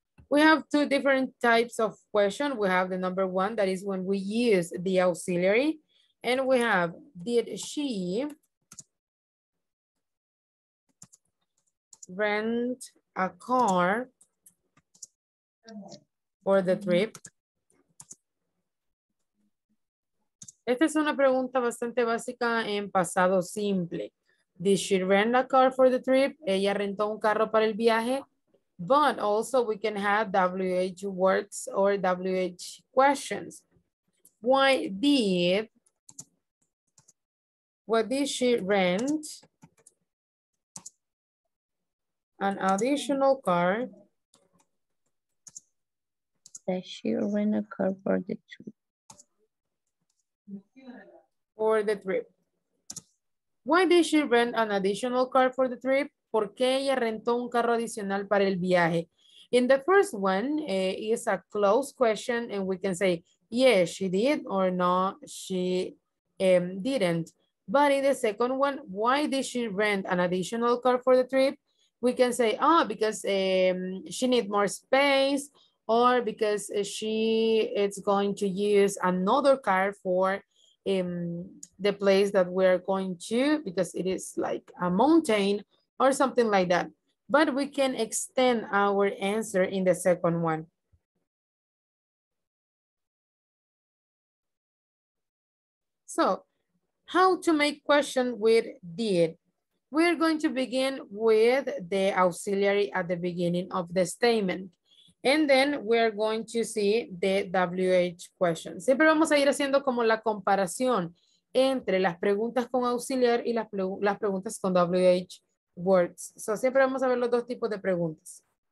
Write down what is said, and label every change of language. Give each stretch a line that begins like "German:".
English: We have two different types of questions. We have the number one, that is when we use the auxiliary, and we have, did she rent a car for the trip?
Spanish: Esta es una pregunta bastante básica en pasado simple.
English: Did she rent a car for the trip?
Spanish: Ella rentó un carro para el viaje.
English: But also we can have WH words or WH questions. Why did, what did she rent? An additional car. That she rent a car for the trip. For the trip. Why did she rent an additional car for the trip?
Spanish: ¿Por qué ella rentó un carro adicional para el viaje?
English: In the first one, is a closed question, and we can say, yes, she did, or no, she didn't. But in the second one, why did she rent an additional car for the trip? We can say, oh, because she needs more space, or because she is going to use another car for the place that we're going to, because it is like a mountain or something like that. But we can extend our answer in the second one. So how to make question with did? We're going to begin with the auxiliary at the beginning of the statement. And then we're going to see the WH question.
Spanish: Siempre vamos a ir haciendo como la comparación entre las preguntas con auxiliar y las preguntas con WH words. So siempre vamos a ver los dos tipos de preguntas.